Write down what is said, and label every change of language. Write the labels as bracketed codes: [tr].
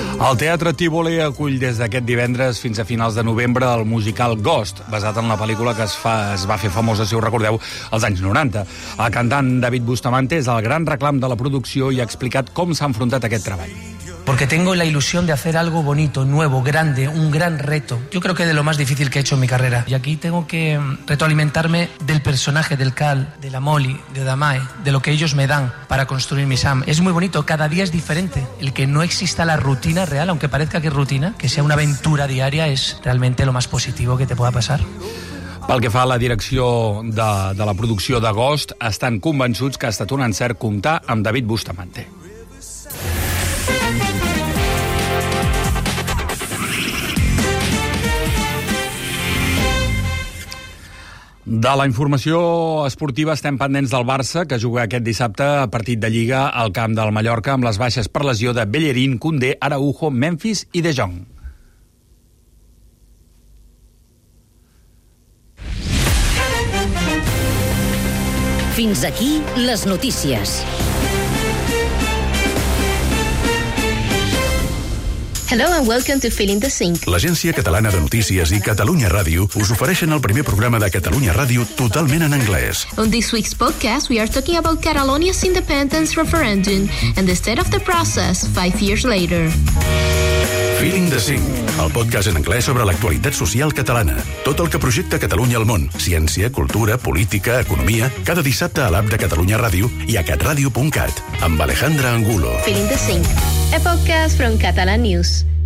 [ca] El Teatre Tívoli acull des d'aquest divendres fins a finals de novembre el musical Ghost, basat en la pel·lícula que es va fer famosa, si ho recordeu, als anys 90. El cantant David Bustamante és el gran reclam de la producció i ha explicat com s'ha enfrontat a aquest treball. [es] Porque tengo la ilusión de hacer algo bonito, nuevo, grande, un gran reto. Yo creo que de lo más difícil que he hecho en mi carrera. Y aquí tengo que retroalimentarme del personaje, del Cal, de la Molly, de Damae, de lo que ellos me dan para construir mi Sam. Es muy bonito, cada día es diferente. El que no exista la rutina real, aunque parezca que es rutina, que sea una aventura diaria, es realmente lo más positivo que te pueda pasar. [ca] Pel que fa a la direcció de la producció de Ghost, estan convençuts que ha estat un encert comptar amb David Bustamante. De la informació esportiva estem pendents del Barça, que juga aquest dissabte a partit de Lliga al camp del Mallorca amb les baixes per lesió de Bellerín, Koundé, Araujo, Memphis i De Jong. Fins aquí les notícies. [en] Hello and welcome to Fill in the Sync. [ca] L'Agència Catalana de Notícies i Catalunya Ràdio us ofereixen el primer programa de Catalunya Ràdio totalment en anglès. [en] On this week's podcast, we are talking about Catalonia's independence referendum and the state of the process 5 years later. [ca] Feeling the 5, el podcast en anglès sobre l'actualitat social catalana. Tot el que projecta Catalunya al món. Ciència, cultura, política, economia. Cada dissabte a l'app de Catalunya Ràdio i a catradio.cat. Amb Alejandra Angulo. [en] Feeling the 5, a podcast from Catalan News.